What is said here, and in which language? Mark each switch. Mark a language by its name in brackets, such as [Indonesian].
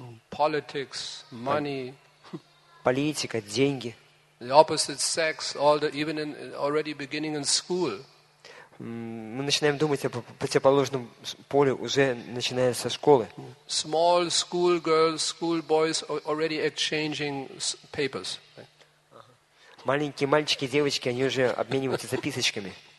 [English] Politics, money. [Russian] Политика, деньги. [English] The opposite sex, all the even in already beginning in school. [Russian] Мы начинаем думать о противоположном поле уже начиная со школы. [English] Small school girls, school boys already exchanging papers. [Russian] Маленькие мальчики, девочки, они уже обмениваются записочками.